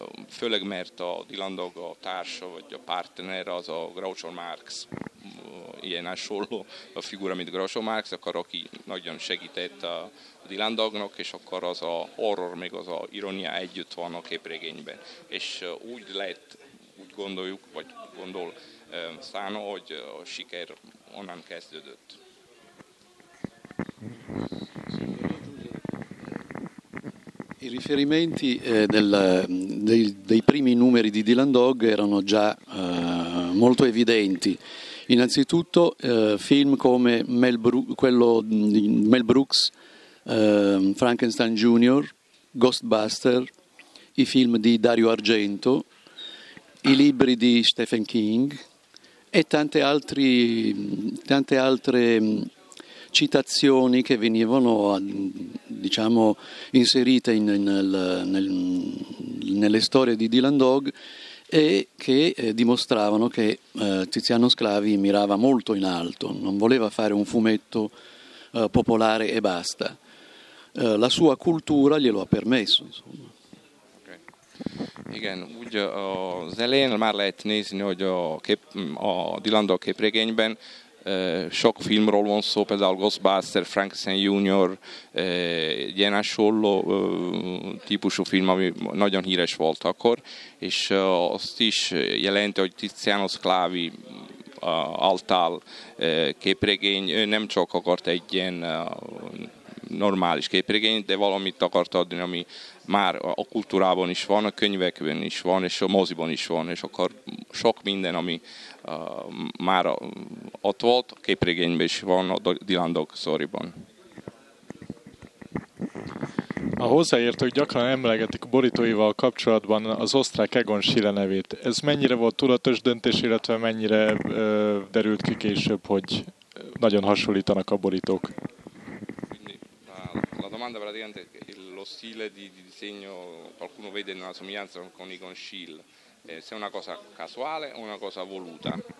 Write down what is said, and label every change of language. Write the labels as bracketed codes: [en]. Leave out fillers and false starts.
[hu] főleg mert a Dylan Dog a társa, vagy a partner az a Groucho Marx, ilyen hasonló a figura, mint Groucho Marx, akkor aki nagyon segített a Dylan Dognak, és akkor az a horror, meg az a ironia együtt van a képregényben. És úgy lett, úgy gondoljuk, vagy gondol Szána, hogy a siker onnan kezdődött. [it] I riferimenti dei primi numeri di Dylan Dog erano già molto evidenti. Innanzitutto film come quello di Mel Brooks, Frankenstein Jr., Ghostbuster, i film di Dario Argento, i libri di Stephen King e tante altre citazioni che venivano diciamo inserite nelle storie di Dylan Dog e che dimostravano che Tiziano Sclavi mirava molto in alto, non voleva fare un fumetto popolare e basta. La sua cultura glielo ha permesso, insomma. [hu] Igen, úgy az elején már lehet nézni, hogy a Dylan Dog képregényben sok filmről van szó, például Ghostbuster, Frankenstein Jr., ilyen hasonló típusú film, ami nagyon híres volt akkor, és azt is jelenti, hogy Tiziano Sclavi által képregény, ő nem csak akart egy ilyen normális képregény, de valamit akart adni, ami már a kultúrában is van, a könyvekben is van, és a moziban is van, és akkor sok minden, ami már ott volt, a képregényben is van, a Dylan Dog sztoriban. A hozzáértők gyakran emlegetik a borítóival kapcsolatban az osztrák Egon Schiele nevét. Ez mennyire volt tudatos döntés, illetve mennyire derült ki később, hogy nagyon hasonlítanak a borítók? [it] Domanda praticamente lo stile di disegno, qualcuno vede una somiglianza con Egon Schiele, se è una cosa casuale o una cosa voluta?